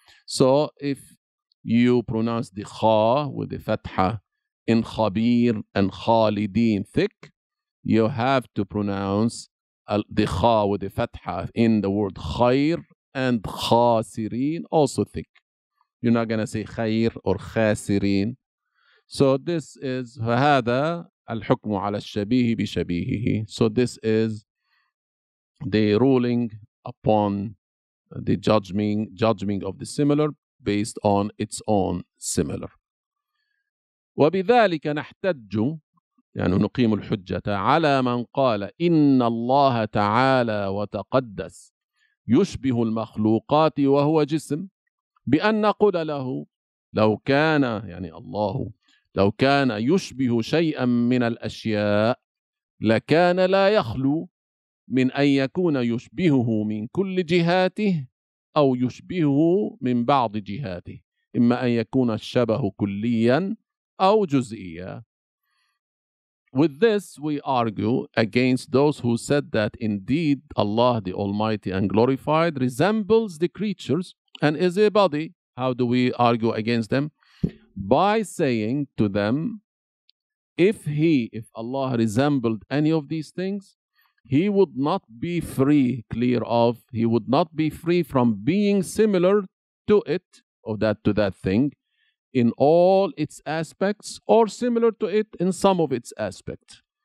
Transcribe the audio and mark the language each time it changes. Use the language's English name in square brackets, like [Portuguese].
[English] So if you pronounce the خاء with the فتحة in خبير and خالدين thick, you have to pronounce the خاء with the فتحة in the word خير and خاسرين also thick. You're not gonna say خير or خاسرين. So this is [Arabic] هذا الحكم على الشبيه بشبيهه. [English] So this is the ruling upon the judging of the similar based on its own similar. [Arabic] وبذلك نحتج, يعني نقيم الحجة على من قال إن الله تعالى وتقدس يشبه المخلوقات وهو جسم, بأن نقول له لو كان, يعني الله لو كان يشبه شيئا من الأشياء لكان لا يخلو من أن يكون يشبهه من كل جهاته أو يشبهه من بعض جهاته, إما أن يكون الشبه كليا أو جزئيا. [English] With this we argue against those who said that indeed Allah the Almighty and Glorified resembles the creatures and is a body. How do we argue against them? By saying to them, if Allah resembled any of these things, he would not be free from being similar to it, or that to that thing, in all its aspects, or similar to it in some of its aspects.